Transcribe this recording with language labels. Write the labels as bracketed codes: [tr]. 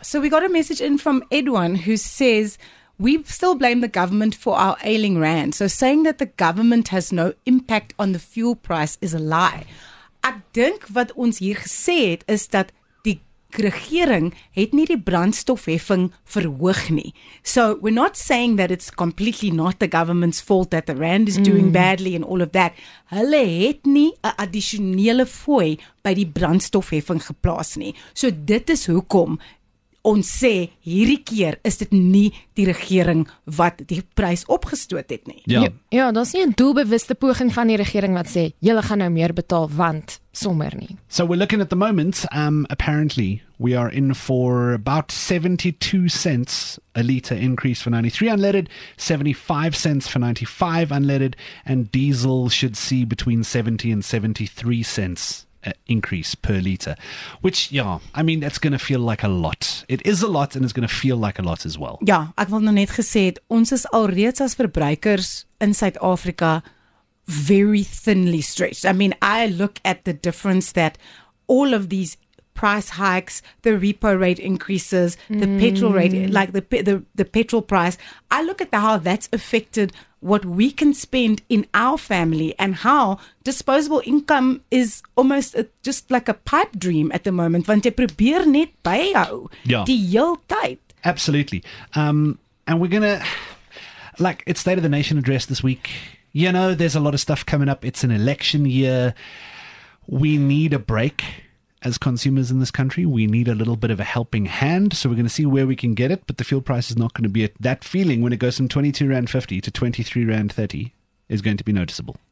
[en] So we got a message in from Edwin who says, we still blame the government for our ailing rand. So saying that the government has no impact on the fuel price is a lie. [af] Ek dink wat ons hier gesê het is dat die regering het nie die brandstofheffing verhoog nie. [en] So we're not saying that it's completely not the government's fault that the rand is doing badly and all of that. [af] Hulle het nie 'n addisionele fooi by die brandstofheffing geplaas nie. So dit is hoekom ons sê hierdie keer is dit nie die regering wat die prys opgestoot het nie. Ja, daar's nie 'n doelbewuste poging van die regering wat sê julle gaan nou meer betaal want sommer nie. [en] So we're looking at the moment, apparently we are in for about 72 cents a liter increase for 93 unleaded, 75 cents for 95 unleaded, and diesel should see between 70 and 73 cents. Increase per liter, which, yeah, I mean, that's going to feel like a lot. It is a lot and it's going to feel like a lot as well. [af] Ja, ek wil nou net gesê het, ons is alreeds as verbruikers in Suid-Afrika [en] very thinly stretched. I mean, I look at the difference that all of these price hikes, the repo rate increases, the petrol rate, like the petrol price. I look at how that's affected what we can spend in our family and how disposable income is almost just like a pipe dream at the moment. [af] Want jy probeer net byhou die heel tyd. [en] Absolutely. And we're going to, like, it's State of the Nation address this week. You know, there's a lot of stuff coming up. It's an election year. We need a break as consumers in this country. We need a little bit of a helping hand. So we're going to see where we can get it. But the fuel price is not going to be at that feeling when it goes from 22 Rand 50 to 23 Rand 30 is going to be noticeable.